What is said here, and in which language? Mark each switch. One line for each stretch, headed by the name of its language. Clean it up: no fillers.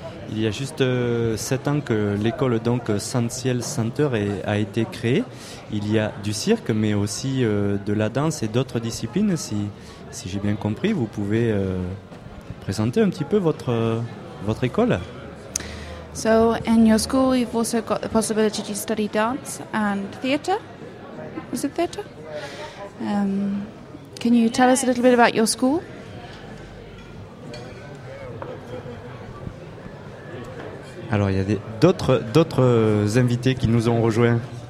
French: Il y a juste 7 ans que l'école donc Sanciel Center a été créée. Il y a du cirque, mais aussi de la danse et d'autres disciplines, si j'ai bien compris. Vous pouvez présenter un petit peu votre école.
English: So, in your school, you've also got the possibility to study dance and theater. Is it theater? Can you tell us a little bit about your school?
French: Alors, il y a d'autres invités qui nous ont rejoints.